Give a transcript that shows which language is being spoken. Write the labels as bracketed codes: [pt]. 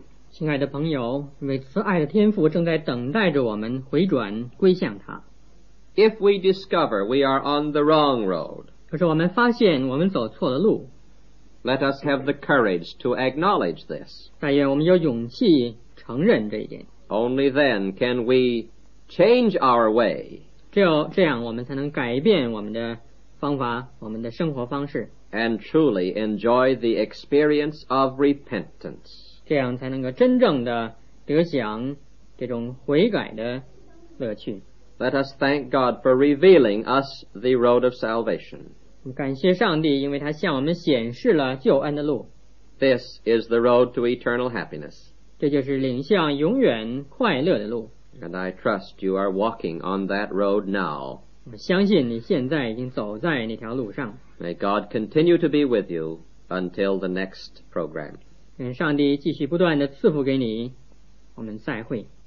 [zh] 亲爱的朋友，为慈爱的天父正在等待着我们回转归向他。 [en] If we discover we are on the wrong road, [zh] 可是我们发现我们走错了路。 [en] Let us have the courage to acknowledge this. [zh] 但愿我们有勇气承认这一点。 [en] Only then can we change our way. [zh] 这样我们才能改变我们的方法，我们的生活方式。 [en] And truly enjoy the experience of repentance. [zh] 这样才能够真正的得享这种悔改的乐趣。 [en] Let us thank God for revealing us the road of salvation. [zh] 感谢上帝，因为他向我们显示了救恩的路。 [en] This is the road to eternal happiness. [zh] 这就是领向永远快乐的路。 [en] And I trust you are walking on that road now. [zh] 我相信你现在已经走在那条路上。 [en] May God continue to be with you until the next program. [zh] 愿上帝继续不断地赐福给你，我们再会。